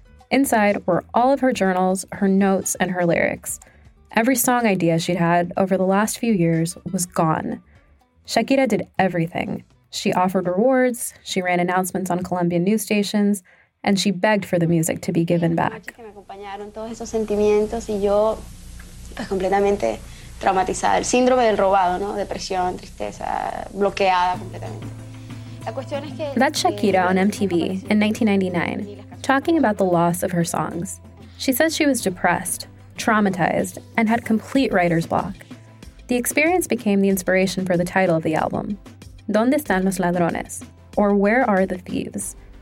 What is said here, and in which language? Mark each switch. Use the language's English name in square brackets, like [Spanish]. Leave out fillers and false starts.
[English] Inside were all of her journals, her notes, and her lyrics. Every song idea she'd had over the last few years was gone. Shakira did everything. She offered rewards, she ran announcements on Colombian news stations, and she begged for the music to be given back. [Spanish] Que me acompañaron todos esos sentimientos y yo pues completamente traumatizada, el síndrome del robado, ¿no? Depresión, tristeza, bloqueada completamente. La cuestión es que [English] that's Shakira on MTV in 1999. Talking about the loss of her songs. She says she was depressed, traumatized, and had complete writer's block. The experience became the inspiration for the title of the album, Dónde Están Los Ladrones, or Where Are the Thieves?